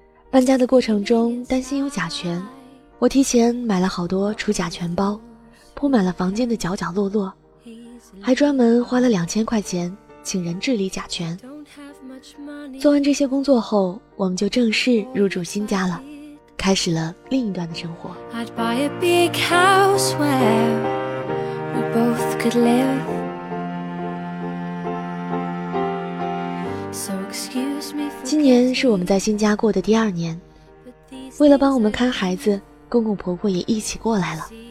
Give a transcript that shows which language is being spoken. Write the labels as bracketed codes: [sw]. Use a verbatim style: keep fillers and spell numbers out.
[zh] 搬家的过程中担心有甲醛，我提前买了好多除甲醛包，铺满了房间的角角落落，还专门花了两千块钱请人治理甲醛。做完这些工作后，我们就正式入住新家了，开始了另一段的生活。 [en] I'd buy a big house where we both could live. So excuse me for [zh] 今年是我们在新家过的第二年，为了帮我们看孩子，公公婆婆也一起过来了。